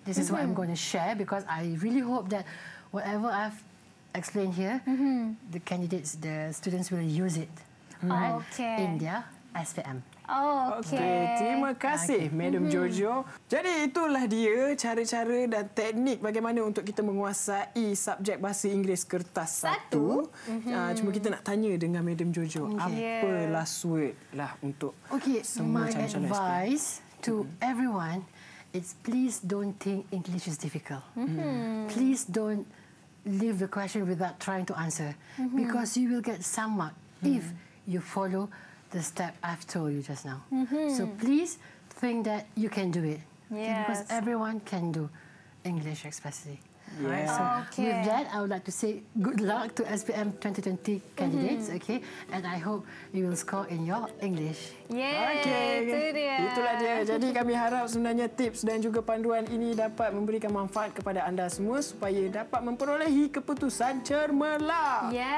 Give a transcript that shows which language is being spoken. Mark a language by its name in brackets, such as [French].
[English] This is what I'm going to share because I really hope that whatever I've explained here, the candidates, the students will use it in their SPM. Okay. [Malay] Terima kasih, Madam Jojo. Jadi itulah dia cara-cara dan teknik bagaimana untuk kita menguasai subjek bahasa Inggeris kertas satu. Cuma kita nak tanya dengan Madam Jojo, apa last word lah untuk semua [English] calon-calon SPM? My advice to everyone is please don't think English is difficult. Please don't leave the question without trying to answer, because you will get some mark if you follow the step I've told you just now. So please think that you can do it. Yes. Okay, because everyone can do English especially. Yes. So with that, I would like to say good luck to SPM 2020 candidates, okay? And I hope you will score in your English. [Malay] Itulah dia. Jadi kami harap sebenarnya tips dan juga panduan ini dapat memberikan manfaat kepada anda semua supaya dapat memperolehi keputusan cemerlang.